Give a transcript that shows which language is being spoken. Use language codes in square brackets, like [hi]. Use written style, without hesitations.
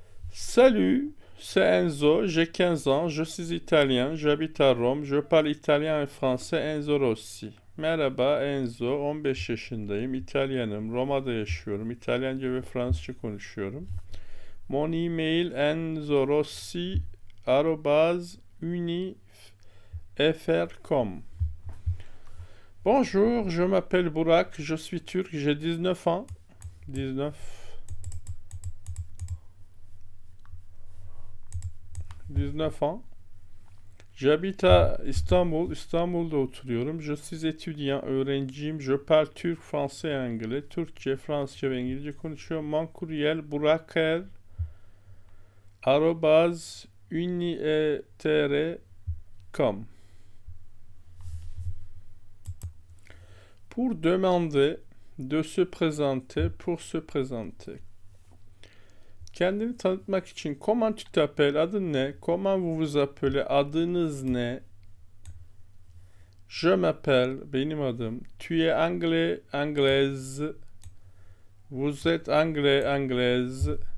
[fr] Salut, c'est Enzo, j'ai 15 ans, je suis italien, j'habite à Rome, je parle italien et français, Enzo Rossi. [tr] Merhaba Enzo, 15 yaşındayım, İtalyanım, Roma'da yaşıyorum, İtalyanca ve Fransızca konuşuyorum. [fr] Mon email enzorossi@unifr.com. Bonjour, je m'appelle Burak, je suis turc, j'ai 19 ans. 19 ans. J'habite à Istanbul, [tr] İstanbul'da oturuyorum. [fr] Je suis étudiant, [tr] öğrenciyim. [fr] Je parle turc, français, anglais. [tr] Türkçe, Fransızca ve İngilizce konuşuyorum. [fr] Mon courriel buraker@unifr.com. Pour demander de se présenter, pour se présenter. [tr] Kendini tanıtmak için [fr] comment tu t'appelles, [tr] adın ne? [fr] Comment vous vous appelez, [tr] adınız ne? [fr] Je m'appelle, [tr] benim adım. [fr] Tu es anglais, anglaise. Vous êtes anglais, anglaise.